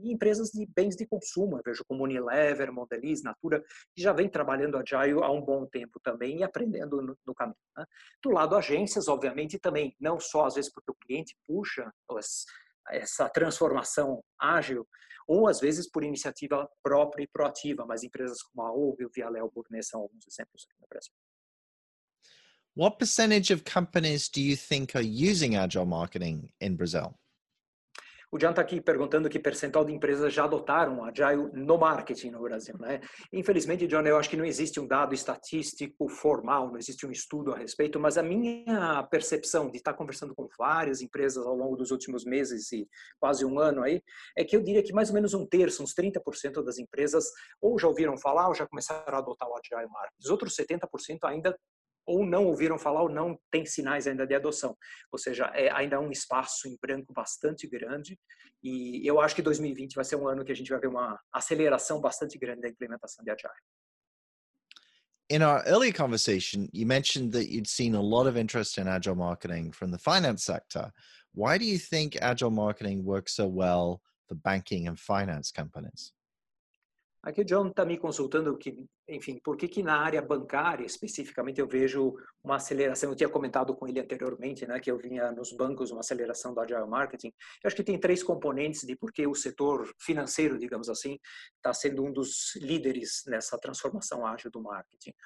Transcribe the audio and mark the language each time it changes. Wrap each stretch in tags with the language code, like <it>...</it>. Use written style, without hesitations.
<pt>E empresas de bens de consumo, eu vejo como Unilever, Mondelez, Natura, que já vem trabalhando Agile há um bom tempo também e aprendendo no caminho. Né? Do lado, agências, obviamente, também. Não só, às vezes, porque o cliente puxa essa transformação ágil, ou às vezes por iniciativa própria e proativa, mas empresas como a Ouvi, o Vialel, o Burnet são alguns exemplos aqui no Brasil.</pt> <en>What percentage of companies do you think are using Agile Marketing in Brazil?</en> <pt>O John está aqui perguntando que percentual de empresas já adotaram Agile no marketing no Brasil. Né? Infelizmente, John, eu acho que não existe um dado estatístico formal, não existe um estudo a respeito, mas a minha percepção de estar conversando com várias empresas ao longo dos últimos meses e quase um ano aí, é que eu diria que mais ou menos um terço, uns 30% das empresas ou já ouviram falar ou já começaram a adotar o Agile Marketing. Os outros 70% ainda ou não ouviram falar ou não tem sinais ainda de adoção. Ou seja, ainda um espaço em branco bastante grande e eu acho que 2020 vai ser um ano que a gente vai ver uma aceleração bastante grande da implementação de Agile.</pt> <en>In our earlier conversation, you mentioned that you'd seen a lot of interest in agile marketing from the finance sector. Why do you think agile marketing works so well for banking and finance companies?</en> <pt>Aqui o John está me consultando que, enfim, por que que na área bancária, especificamente, eu vejo uma aceleração. Eu tinha comentado com ele anteriormente, né, que eu vinha nos bancos uma aceleração do Agile Marketing. Eu acho que tem três componentes de por que o setor financeiro, digamos assim, está sendo um dos líderes nessa transformação ágil do marketing.</pt>